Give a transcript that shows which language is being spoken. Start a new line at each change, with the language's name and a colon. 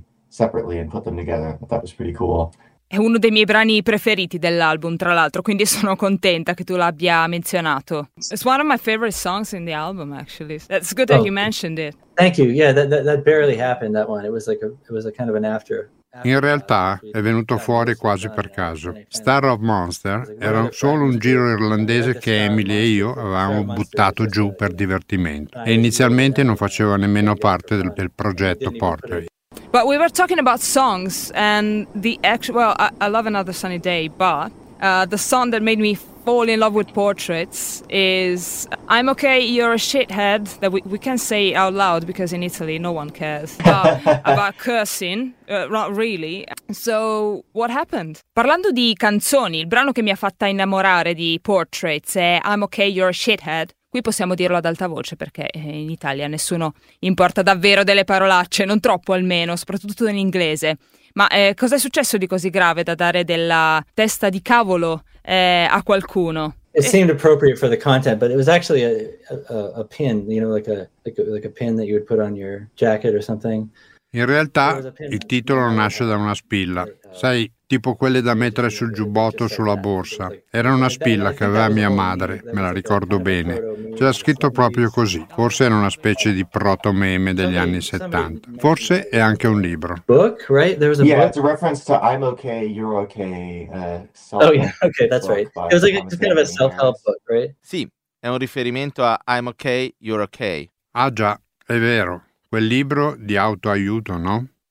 Italian: È uno dei miei brani preferiti dell'album, tra l'altro, quindi sono contenta che tu l'abbia menzionato.
English: It's one of my favorite songs in the album, actually. That's good that you mentioned it. Thank you. Yeah, that barely happened, that one. It was a kind of an after.
Italian: In realtà è venuto fuori quasi per caso. Star of Monster era solo un giro irlandese che Emily e io avevamo buttato giù per divertimento. E inizialmente non faceva nemmeno parte del progetto Portrait.
English: But we were talking about songs and the actual, well, I love Another Sunny Day, but the song that made me fall in love with Portraits is I'm Okay, You're a Shithead, that we can say out loud because in Italy no one cares about cursing, not really. So what happened?
Italian: Parlando di canzoni, il brano che mi ha fatta innamorare di Portraits è I'm Okay, You're a Shithead. Qui possiamo dirlo ad alta voce perché in Italia nessuno importa davvero delle parolacce, non troppo almeno, soprattutto in inglese. Ma cosa è successo di così grave da dare della testa di cavolo a qualcuno?
English: It seemed appropriate for the content, but it was actually a pin, you know, like a pin that you would put on your jacket or something.
Italian: In realtà il titolo nasce da una spilla, sai, tipo quelle da mettere sul giubbotto o sulla borsa. Era una spilla che aveva mia madre, me la ricordo bene. C'era scritto proprio così. Forse era una specie di proto meme degli anni 70. Forse è anche un libro.
English: Book, right? There was a book. Yeah, it's a reference to I'm okay, you're okay. Oh yeah, okay, that's right. It was like just kind of a self-help book, right?
Italian: Sì, è un riferimento a I'm okay, you're okay. Ah già, è vero. Quel libro di autoaiuto, no?